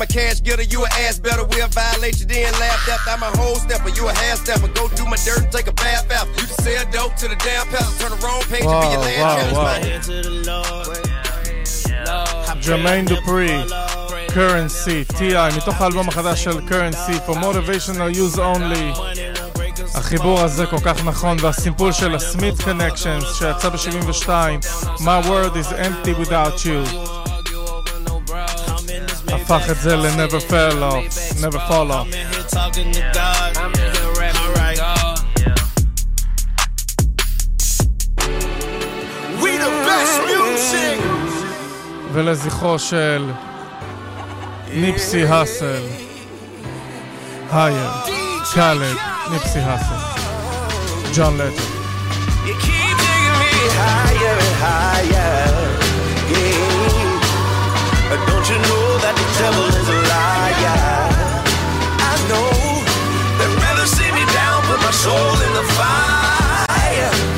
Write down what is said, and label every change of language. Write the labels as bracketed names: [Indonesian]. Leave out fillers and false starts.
[English] I'm a cash getter. You a ass better. We'll violate you then. Laughed after. I'm a whole stepper. You a half stepper. Go do my dirt and take a bath after. You can sell dope to the damn pal. Turn the wrong page. Whoa, and be your whoa, last challenge. Whoa. My hand to the Lord. Jermaine Dupri, Currency, T.I. [Hebrew] מתוך האלבום החדש של Currency, [English] for motivational use only. [Hebrew] החיבור הזה כל כך נכון, והסימפול של הסמית קונקשנס שיצא ב-72, My world is empty without you, הפך את זה ל-Never fall off, Never fall off. [English] We the best music. [Hebrew] ולזכרו של ניפסי הסל, הייר, קלד, ניפסי הסל, ג'ון לטר. [English] You keep taking me higher and higher, yeah. Don't you know that the devil is a liar? I know they'd rather see me down, put my soul in the fire.